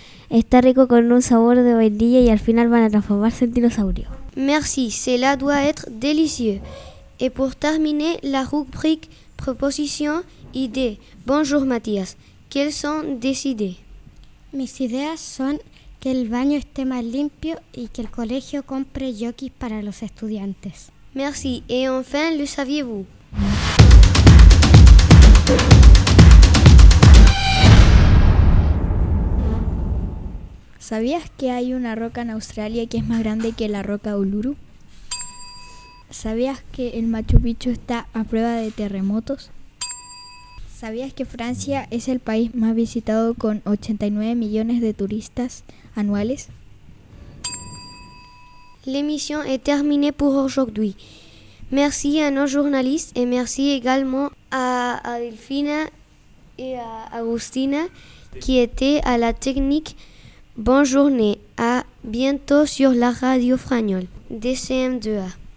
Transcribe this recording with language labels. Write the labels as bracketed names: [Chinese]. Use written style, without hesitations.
[Spanish] Está rico con un sabor de vainilla y al final van a transformarse en dinosaurio. [French] Merci, cela doit être délicieux. Et pour terminer, la rubrique proposition idée. Bonjour Mathias, quelles sont des idées? [Spanish] Mis ideas son que el baño esté más limpio y que el colegio compre jockeys para los estudiantes. [French] Merci, et enfin, le saviez-vous? Mm. [Spanish] ¿Sabías que hay una roca en Australia que es más grande que la roca Uluru? ¿Sabías que el Machu Picchu está a prueba de terremotos? ¿Sabías que Francia es el país más visitado con 89 millones de turistas anuales? [French] L'émission est terminée pour aujourd'hui. Merci à nos journalistes et merci également à Delfina et à Agustina qui étaient à la technique. Bonne journée, à bientôt sur la radio Fragnol, DCM2A.